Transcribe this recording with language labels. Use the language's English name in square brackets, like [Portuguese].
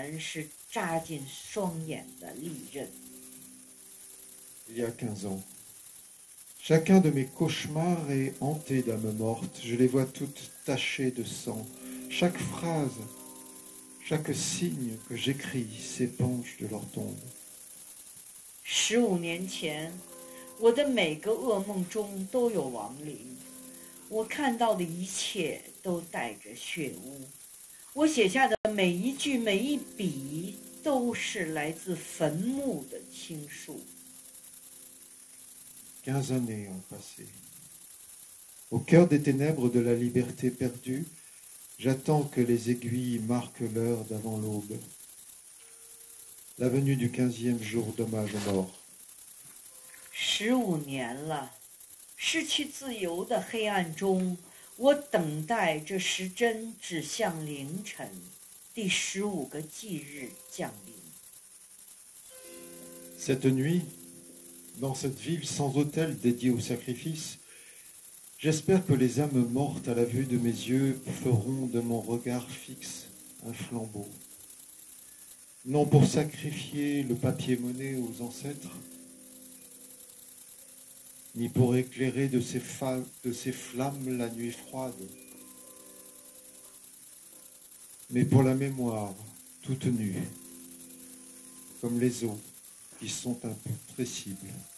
[French] 15 ans [Chinese] 前，那个被刺刀染红的黎明，仍然是扎进双眼的利刃。 [French] Il y a 15 ans. Chacun de mes cauchemars est hanté d'âmes mortes. Je les vois toutes tachées de sang. Chaque phrase, chaque signe que j'écris s'épanche de leur tombe. 15 ans [Chinese] 前，我的每个噩梦中都有亡灵。我看到的一切都带着血污。我写下的每一句、每一笔，都是来自坟墓的倾诉。 [French] 15 années ont passé. Au cœur des ténèbres de la liberté perdue, J'attends que les aiguilles marquent l'heure d'avant l'aube. La venue du 15e jour d'hommage aux morts. [Chinese] 15年了，失去自由的黑暗中。我等待这时针指向凌晨，第15个忌日降临。 [French] Cette nuit, dans cette ville sans autel dédiée au sacrifice, j'espère que les âmes mortes à la vue de mes yeux feront de mon regard fixe un flambeau. Non pour sacrifier le papier monnaie aux ancêtres, ni pour éclairer de ses flammes la nuit froide, mais pour la mémoire toute nue, comme les eaux qui sont imprescibles.